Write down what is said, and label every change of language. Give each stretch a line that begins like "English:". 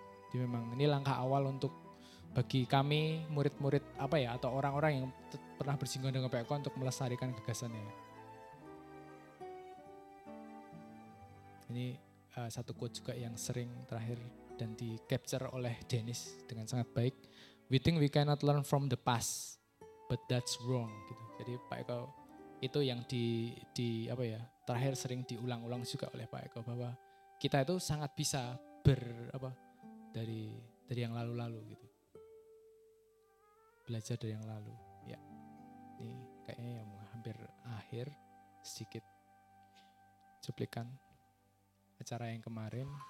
Indonesian: Jadi memang ini langkah awal untuk bagi kami murid-murid apa ya atau orang-orang yang pernah bersinggungan dengan Pak Eko untuk melestarikan gagasannya. Ini satu quote juga yang sering terakhir dan di capture oleh Dennis dengan sangat baik.
English: We think we cannot learn from the past, but that's wrong.
Indonesian: Gitu. Jadi Pak Eko itu yang di apa ya terakhir sering diulang-ulang juga oleh Pak Eko bahwa kita itu sangat bisa dari yang lalu-lalu gitu. Belajar dari yang lalu. Ya, ini kayaknya yang hampir akhir sedikit cuplikan acara yang kemarin.